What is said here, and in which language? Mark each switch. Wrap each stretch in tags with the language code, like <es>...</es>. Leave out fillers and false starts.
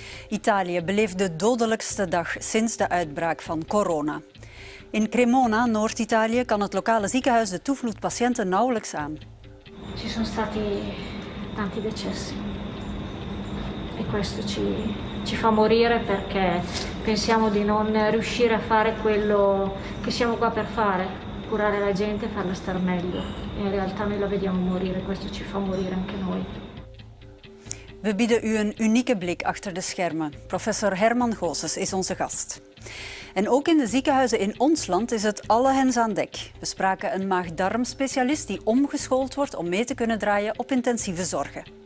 <nl>Italië beleeft de dodelijkste dag sinds de uitbraak van corona. In Cremona, Noord-Italië, kan het lokale ziekenhuis de toevloed patiënten nauwelijks aan.</nl> <it>Ci sono stati tanti decessi. E questo ci fa morire perché pensiamo di non riuscire a fare quello che siamo qua per fare. Curare la gente e farla star meglio. In realtà noi la vediamo morire, questo ci fa morire anche noi.</it> <nl>We bieden u een unieke blik achter de schermen. Professor Herman Goossens is onze gast. En ook in de ziekenhuizen in ons land is het alle hens aan dek. We spraken een maag-darm-specialist die omgeschoold wordt om mee te kunnen draaien op intensieve zorgen.</nl>